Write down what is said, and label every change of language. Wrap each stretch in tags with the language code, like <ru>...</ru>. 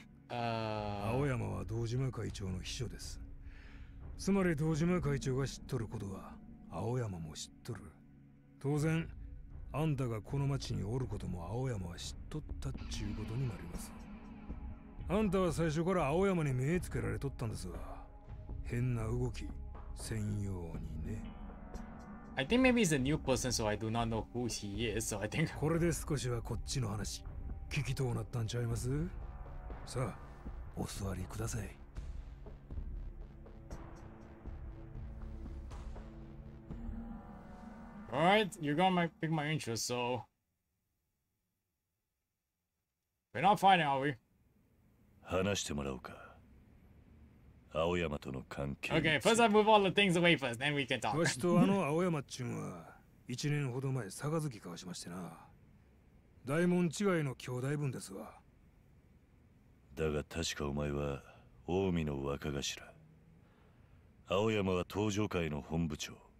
<ja>青山は堂島会長の秘書です。つまり堂島会長が知っとることは青山も知っとる。当然、あんたがこの町におることも青山は知っとったっちゅうことになります。あんたは最初から青山に目つけられとったんですが、変な動き、専用にね。</ja> <en>I think maybe he's a new person, so I do not know who he is, so I think...</en> <ja>これで少しはこっちの話、聞きとうなったんちゃいます? さあ、お座りください。</ja> <en>All right, you got my pick my interest, so we're not fighting, are we?</en> <ja>話してもらおうか。青山との関係。</ja> <en>Okay, first I move all the things away first, then we can talk.</en> <ja>わしとあの青山っちゅんは一年ほど前杯交わしましてな。大門違いの兄弟分ですわ。だが確かお前は近江の若頭。青山は東条会の本部長。</ja>